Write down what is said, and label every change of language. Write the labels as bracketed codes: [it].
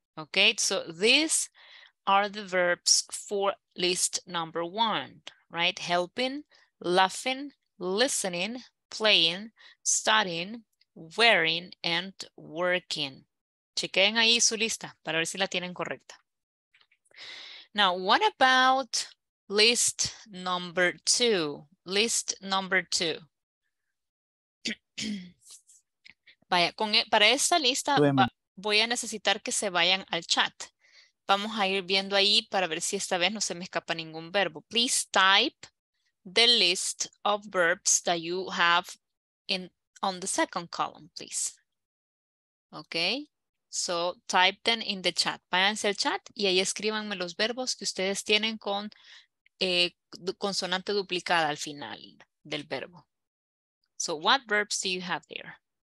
[en] Okay, so this are the verbs for list number one, right? Helping, laughing, listening, playing, studying, wearing, and working. [es] Chequen ahí su lista para ver si la tienen correcta. [en] Now, what about list number two? List number two. [es] Vaya, para esta lista voy a necesitar que se vayan al chat. Vamos a ir viendo ahí para ver si esta vez no se me escapa ningún verbo. [en] Please type the list of verbs that you have on the second column, please. Okay, so type them in the chat. [es] Váyanse al chat y ahí escríbanme los verbos que ustedes tienen con consonante duplicada al final del verbo. [en] So what verbs do you have there?